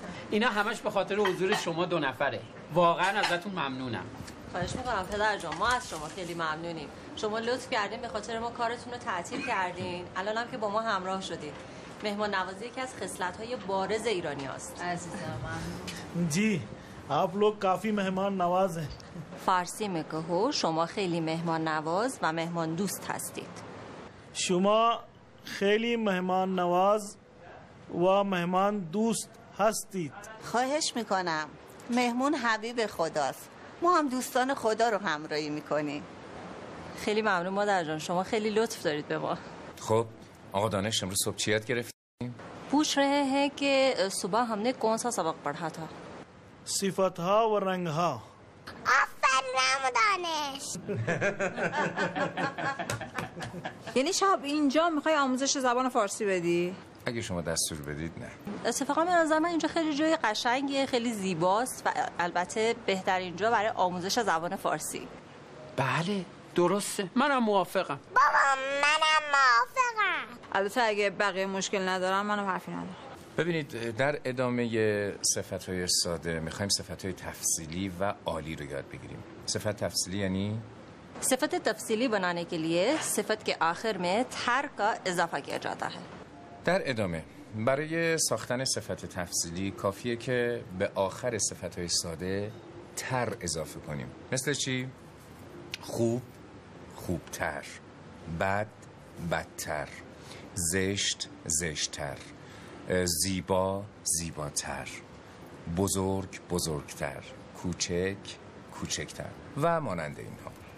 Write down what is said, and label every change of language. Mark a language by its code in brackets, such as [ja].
[fa] اینا همش به خاطر حضور شما دو نفره. واقعا ازتون ممنونم. خواهش میکنم پدر جان، ما از شما خیلی ممنونیم. شما لطف کردین به خاطر ما کارتون رو تعطیل کردین، الانم که با ما همراه شدید. مهمان نوازی یکی از خصلت‌های بارز ایرانی هست عزیزم. [ur] جی آپ لوگ کافی مهمان نواز ہیں. [fa] فارسی میگو شما خیلی مهمان نواز و مهمان دوست هستید. شما خیلی مهمان نواز و مهمان دوست هستید. خواهش میکنم، مهمون حبیب خداست، ما هم دوستان خدا رو همراهی میکنیم. خیلی ممنون مادر جان، شما خیلی لطف دارید به ما. خب آقا دانش، امروز صبح چیت گرفتیم؟ [ur] پوچھ رہے ہیں کہ صبح ہم نے کون سا سبق پڑھا تھا. [fa] صفتها و رنگها. آفرین. میگم و دانش. یعنی شب اینجا میخوای آموزش زبان فارسی بدی؟ اگه شما دستور بدید نه. اتفاقا به نظر من اینجا خیلی جای قشنگیه، خیلی زیباست و البته بهترین جا برای آموزش زبان فارسی. بله درسته، منم موافقم. بابا منم موافقم. البته اگه بقیه مشکل ندارم منم حرفی ندارم. ببینید در ادامه صفت‌های ساده می‌خوایم صفت‌های تفصیلی و عالی رو یاد بگیریم. صفت تفصیلی یعنی؟ [ur] صفت تفصیلی بنانے کے لیے صفت کے آخر میں تر کا اضافہ کیا جاتا ہے. [fa] در ادامه برای ساختن صفت تفصیلی کافیه که به آخر صفت‌های ساده تر اضافه کنیم. مثل چی؟ خوب، خوبتر، بد، بدتر، زشت، زشتر، زیبا، زیباتر، بزرگ، بزرگتر، کوچک، کوچکتر و مانند اینها.